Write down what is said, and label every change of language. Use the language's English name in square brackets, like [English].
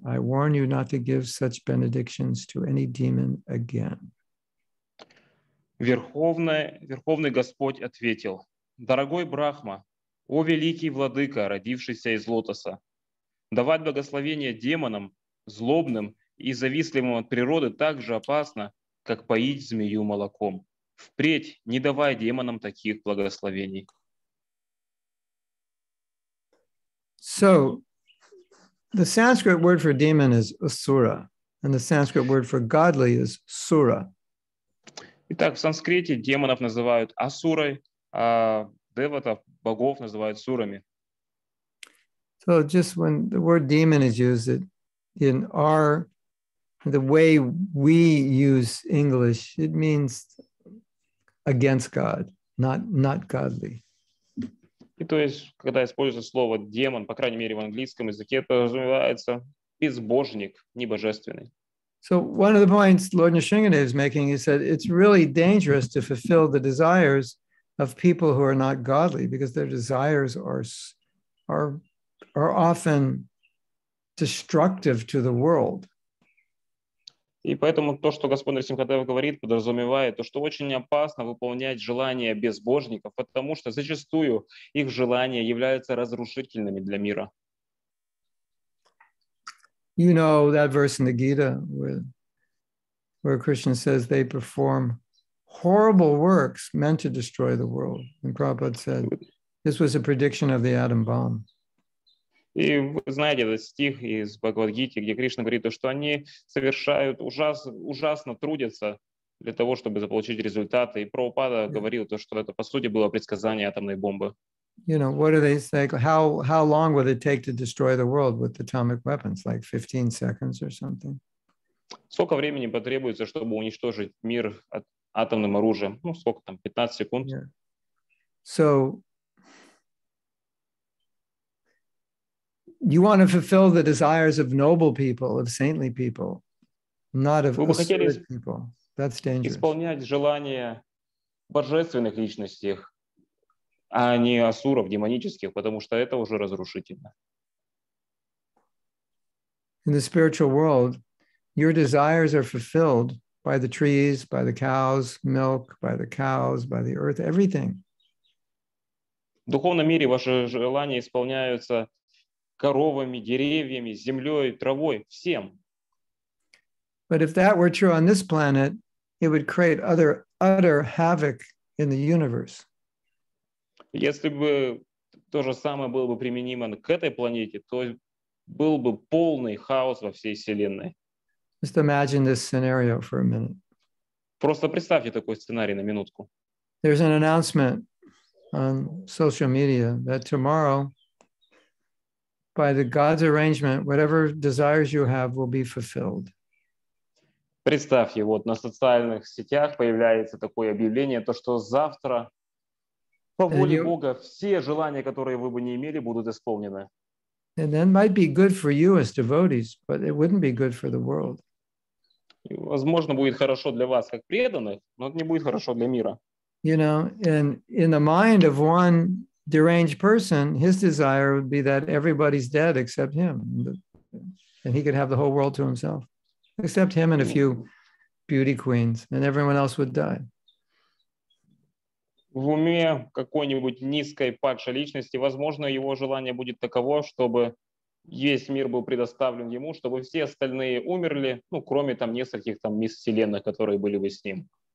[English] I warn you not to give such benedictions to any demon again. [Russian] Верховный Господь ответил, дорогой Брахма, о великий владыка, родившийся из лотоса, давать благословение демонам, злобным и завистливым от природы, так же опасно, как поить змею молоком. Впредь не давай демонам таких благословений. [English] So, the Sanskrit word for demon is asura, and the Sanskrit word for godly is sura. [Russian] Итак, в санскрите демонов называют асурой, а деватов богов называют сурами. [English] So just when the word demon is used in our, the way we use English, it means against God, not godly. [Russian] И то есть, когда используется слово демон, по крайней мере в английском языке, это называется безбожник, не божественный. [English] So one of the points Lord Nrisimhan is making is that it's really dangerous to fulfill the desires of people who are not godly, because their desires are often destructive to the world. [Russian] И поэтому то, что Господь Нрисимхадев говорит, подразумевает то, что очень опасно выполнять желания безбожников, потому что зачастую их желания являются разрушительными для мира. [English] You know that verse in the Gita where Krishna says they perform horrible works meant to destroy the world. And Prabhupada said this was a prediction of the atom bomb. [Russian] И вы знаете этот стих из Бхагавад-гиты, где Кришна говорит, что они совершают ужасно трудятся для того, чтобы заполучить результаты. И Прабхупада говорил, что это, по сути, было предсказание атомной бомбы. [English] You know, what do they say? How long would it take to destroy the world with atomic weapons? Like 15 seconds or something? [Russian] Сколько времени потребуется, чтобы уничтожить мир атомным оружием? Ну, сколько там, 15 секунд? [English] So... You want to fulfill the desires of noble people, of saintly people, not of absurd people. That's dangerous. [Russian] Исполнять желания божественных личностей, а не асуров, демонических, потому что это уже разрушительно. [English] In the spiritual world, your desires are fulfilled by the trees, by the cows, milk, by the cows, by the earth, everything. [Russian] В духовном мире ваши желания исполняются коровами, деревьями, землей, травой, всем. [English] But if that were true on this planet, it would create utter havoc in the universe. [Russian] Если бы то же самое было бы применимо к этой планете, то был бы полный хаос во всей вселенной. [English] Just imagine this scenario for a minute. [Russian] Просто представьте такой сценарий на минутку. [English] There's an announcement on social media that tomorrow, by the God's arrangement, whatever desires you have will be fulfilled. [Russian] Представьте, вот на социальных сетях появляется такое объявление, то что завтра по воле Бога все желания, которые вы бы не имели, будут исполнены. [English] And that might be good for you as devotees, but it wouldn't be good for the world. [Russian] Возможно, будет хорошо для вас как преданных, но это не будет хорошо для мира. [English] You know, in the mind of one deranged person, his desire would be that everybody's dead except him, and he could have the whole world to himself, except him and a few beauty queens, and everyone else would die. [Russian] В уме какой-нибудь низкой падшей личности, возможно, его желание будет таково, чтобы весь мир был предоставлен ему, чтобы все остальные умерли, ну, кроме там нескольких там мисс вселенных, которые были бы с ним.